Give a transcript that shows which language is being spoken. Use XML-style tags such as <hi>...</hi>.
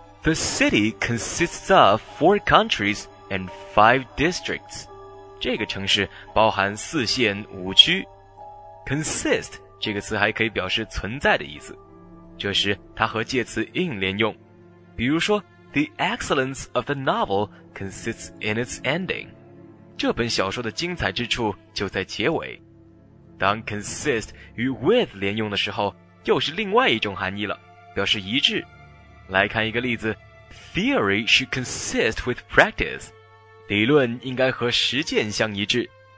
<en>The city consists of 4 countries and 5 districts.</en> <zh>这个城市包含4县5区。</zh> <en>Consist</en> <zh>这个词还可以表示存在的意思，这时它和介词 in 连用。比如说</zh> <en>The excellence of the novel consists in its ending.</en> <zh>这本小说的精彩之处就在结尾。当 consist 与 with 连用的时候，又是另外一种含义了，表示一致。来看一个例子。</zh> <en>Theory should consist with practice.</en> <zh>理论应该和实践相一致。</zh>